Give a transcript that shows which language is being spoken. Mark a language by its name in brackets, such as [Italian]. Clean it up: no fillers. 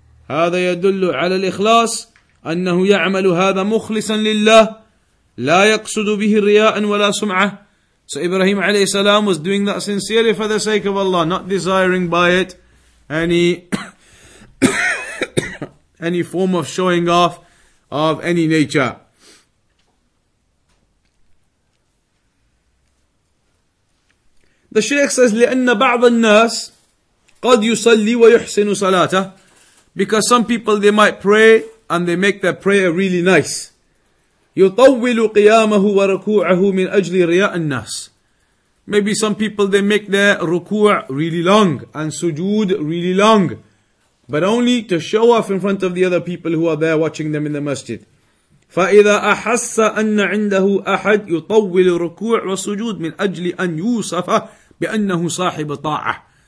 [Arabic] هذا يدل على الإخلاص أنه يعمل هذا مخلصا لله لا يقصد به رياء ولا سمعة. [English] So Ibrahim alayhi salam was doing that sincerely for the sake of Allah, not desiring by it any any form of showing off of any nature. The Shaykh says, [Arabic] لأن بعض الناس قد يصلي ويحسن صلاته. [English] Because some people, they might pray and they make their prayer really nice. [Arabic] يطول قيامه وركوعه من أجل رياء الناس. [English] Maybe some people, they make their ruku' really long and sujood really long, but only to show off in front of the other people who are there watching them in the masjid. [Arabic] فَإِذَا أَحَسَّ أَنَّ عِنْدَهُ أَحَدْ يُطَوِّلُ الرُّكُوعُ وَسُجُودُ مِنْ أَجْلِ أَنْ يُوصَفَ بِأَنَّهُ صَاحِبُ طَاعَةٍ.